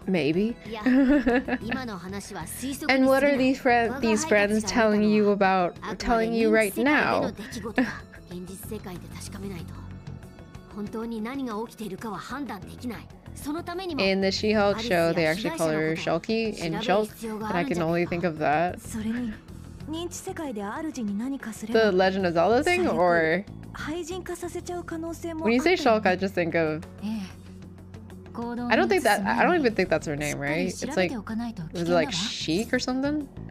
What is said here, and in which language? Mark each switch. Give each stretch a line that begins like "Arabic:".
English: And what are these friends telling you about telling you right now?
Japanese: 現実世界で確かめないと本当に何が起きているかは判断できない。
English: In the She-Hulk show, they actually call her Shulky and Shulk, and I can only think of that. The Legend of Zelda thing, or when you say Shulk, I just think of. I don't even think that's her name, right? It's like, was it like Sheik or something?